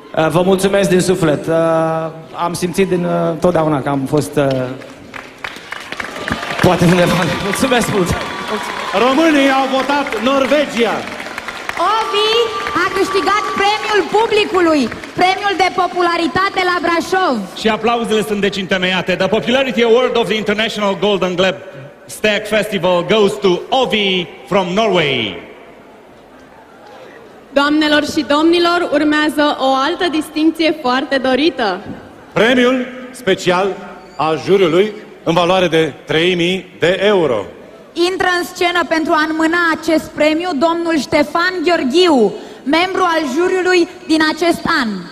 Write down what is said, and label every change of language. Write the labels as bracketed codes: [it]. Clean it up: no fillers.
[ro] Vă mulțumesc din suflet. Am simțit din totdeauna că am fost poate undeva. Mulțumesc mult! Românii au votat Norvegia! Ovi a câștigat premiul publicului, premiul de popularitate la Brașov. Și aplauzele sunt deci întemeiate. [en] The Popularity Award of the International Golden Globe Stag Festival goes to Ovi from Norway. [ro] Doamnelor și domnilor, urmează o altă distincție foarte dorită. Premiul special al juriului în valoare de 3000 de euro. Intră în scenă pentru a înmâna acest premiu domnul Ștefan Gheorghiu, membru al juriului din acest an.